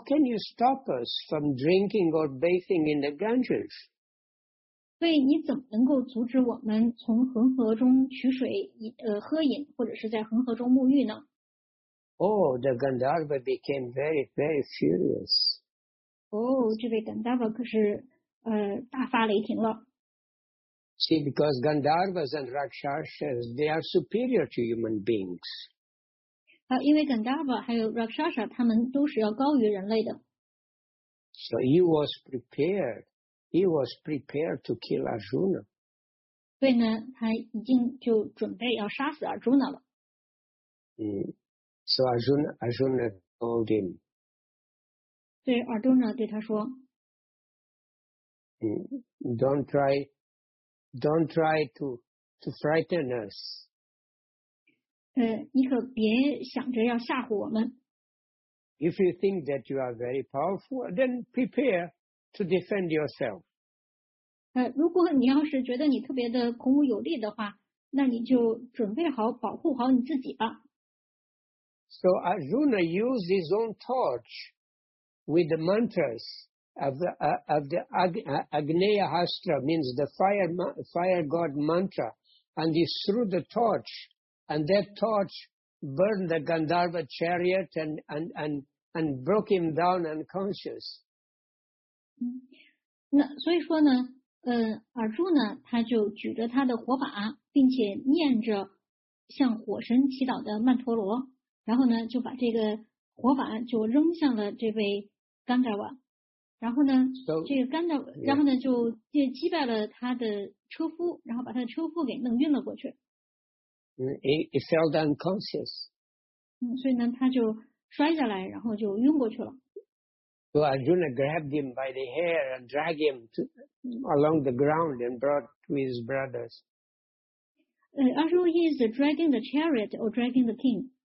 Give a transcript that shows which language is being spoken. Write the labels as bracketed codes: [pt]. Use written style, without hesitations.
[en] can you stop us from drinking or bathing in the Ganges? [zh] 所以你怎么能够阻止我们从恒河中取水，喝饮或者是在恒河中沐浴呢？ [en] Oh, the Gandharva became very, very furious. Oh, this [zh] Gandharva 可是大发雷霆了。 [en] See, because Gandharvas and Rakshasas, they are superior to human beings. [zh] 因为 Gandharva 还有 Rakshasa 他们都是要高于人类的。 [en] So he was prepared to kill Arjuna. [zh] 所以呢，他已经就准备要杀死 Arjuna 了。嗯。 [en] So Arjuna told him. [zh] 对 Arjuna 对他说， [en] Don't try to frighten us. [zh] 你可别想着要吓唬我们。 [en] If you think that you are very powerful, then prepare to defend yourself. [zh] 如果你要是觉得你特别的孔武有力的话，那你就准备好保护好你自己吧。 [en] So Arjuna used his own torch with the mantras of the Agneya Hastra, means the fire god mantra, and he threw the torch, and that torch burned the Gandharva chariot and broke him down unconscious. [zh] 那所以说呢，Arjuna 他就举着他的火把，并且念着向火神祈祷的曼陀罗。然后呢，就把这个火把就扔向了这位甘达瓦，然后呢， [en] so, [zh] 这个甘达瓦，然后呢就击败了他的车夫，然后把他的车夫给弄晕了过去。 [en] He fell unconscious. [zh] 所以呢，他就摔下来，然后就晕过去了。 [en] So Arjuna grabbed him by the hair and dragged him along the ground and brought to his brothers. Arjuna is dragging the chariot or dragging the king.